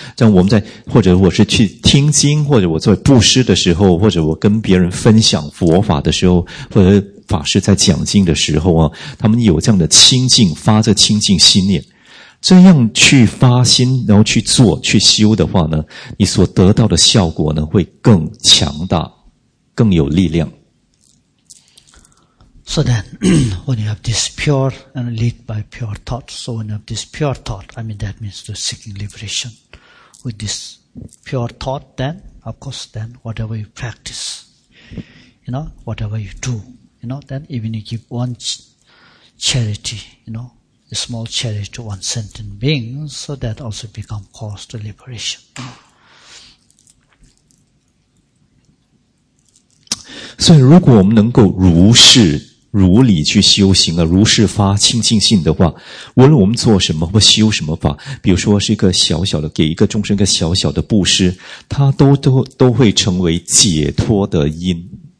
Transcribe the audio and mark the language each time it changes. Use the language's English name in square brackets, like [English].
[Chinese] 这样我们在，或者我是去听经，或者我做布施的时候，或者我跟别人分享佛法的时候，或者法师在讲经的时候、啊、他们有这样的清净，发着清净心念，这样去发心，然后去做去修的话呢，你所得到的效果呢会更强大，更有力量。 [English] So then, when you have this pure and lead by pure thought, so when you have this pure thought, I mean that means to seeking liberation. With this pure thought, then, of course, then whatever you practice, you know, whatever you do, you know, then even you give one charity, you know, a small charity to one sentient being, so that also become cause to liberation. You know? [Chinese] 所以如果我们能够如是如理去修行啊，如是发清净心的话，无论我们做什么或修什么法，比如说是一个小小的给一个众生一个小小的布施，它都会成为解脱的因。